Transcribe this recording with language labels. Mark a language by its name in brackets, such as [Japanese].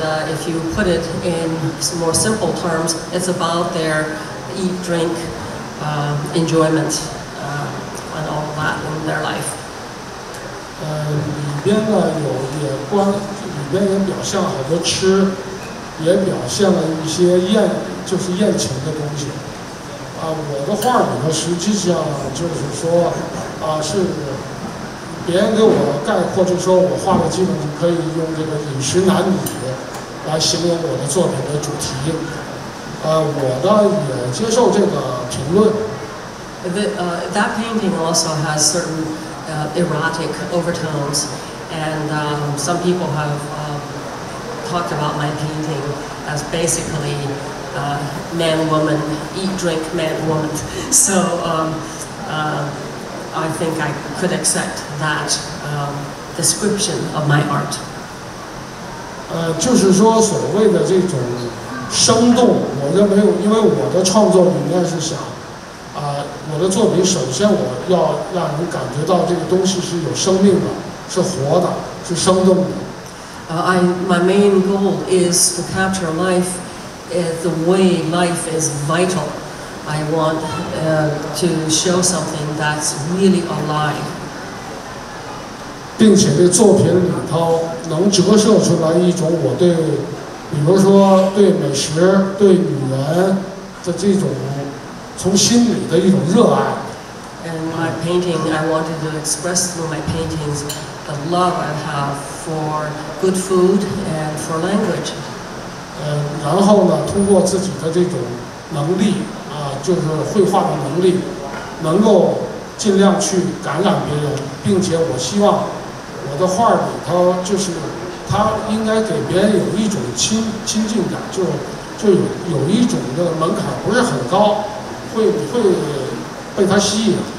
[English] If you put it in some more simple terms, it's about their eat, drink, enjoyment, and all that in their life. [Chinese] 里边呢有也关，里边也表现了好多吃，也表现了一些宴，就是宴请的东西。我的画里头实际上就是说，是别人给我概括，就说我画的基本就可以用这个饮食男女来形容我的作品的主题。我呢也接受这个评论。 [English] That painting also has certain erotic overtones, and some people have talked about my painting as basically man, woman, eat, drink, man, woman. So. I think I could accept that description of my art. [Chinese] 就是说所谓的这种生动，我认为，因为我的创作理念是想，我的作品首先我要让人感觉到这个东西是有生命的，是活的，是生动的。 [English] My main goal is to capture life the way life is vital. I want to show something that's really alive. [Chinese] 并且这作品里头能折射出来一种我对，比如说对美食、对女人的这种从心里的一种热爱。 [English] And my painting, I wanted to express through my paintings the love I have for good food and for language. [Chinese] 然后呢，通过自己的这种能力。就是绘画的能力，能够尽量去感染别人，并且我希望我的画里头，就是它应该给别人有一种亲近感，就有一种的门槛不是很高，会被它吸引。